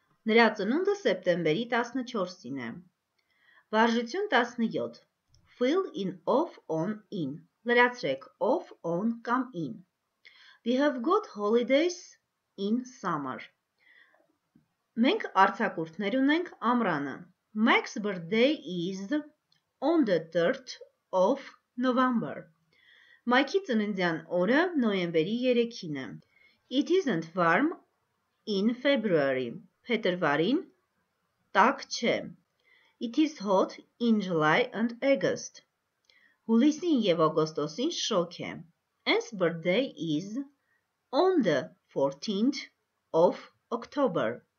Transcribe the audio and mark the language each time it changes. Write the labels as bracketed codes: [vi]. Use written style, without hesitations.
[hy] Նրա ծնունդը սեպտեմբերի 14-ին է։ Վարժություն 17. [en] Fill in off on in. [hy] Լրացրեք [en] off on կամ in. We have got holidays in summer. [hy] Մենք արձակուրդներ ունենք ամռանը. [en] Max's birthday is on the 3rd of November. [hy] Մայքի ծննդյան օրը նոյեմբերի 3-ին է։ [en] It isn't warm in February. [hy] Փետրվարին տաք չէ։ [en] It is hot in July and August. [hy] Հուլիսին և օգոստոսին շոգ է։ [en] Anne's birthday is on the 14th of October.